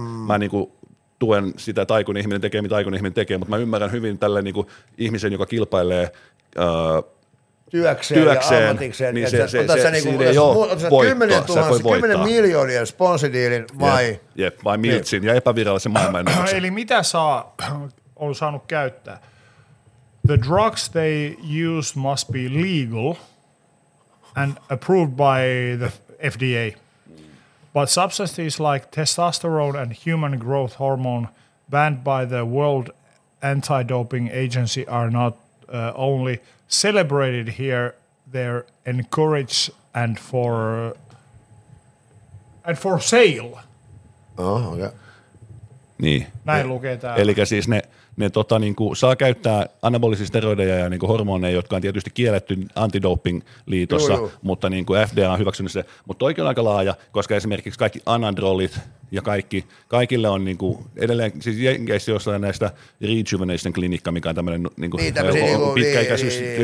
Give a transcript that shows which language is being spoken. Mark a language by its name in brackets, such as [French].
[Finnish] Mä niin kuin tuen sitä, että aikuinen ihminen tekee, mitä aikuinen ihminen tekee, mutta mä ymmärrän hyvin tälle niin kuin ihmisen, joka kilpailee työkseen ja ammatikseen. Niin se, voittaa. 10 miljoonien sponsidiilin vai? Jep, vai miltsin niin. Ja epävirallisen maailmanennätyksen. Eli mitä saa on saanut käyttää? [English] The drugs they use must be legal and approved by the FDA. But substances like testosterone and human growth hormone banned by the World Anti-Doping Agency are not only celebrated here, they're encouraged and for sale. Oh, okay. [Finnish] Niin. Näin lukee täällä. Elikkä siis ne niinku saa käyttää anabolisia steroideja ja niinku hormoneja, jotka on tietysti kielletty antidoping-liitossa, mutta niinku FDA on hyväksynyt se. Mutta toikin on aika laaja, koska esimerkiksi kaikki anandrolit ja kaikille on niinku edelleen, siis jengeissä jossain näistä rejuvenation klinikka, mikä on tämmöinen niinku pitkäikäisyys.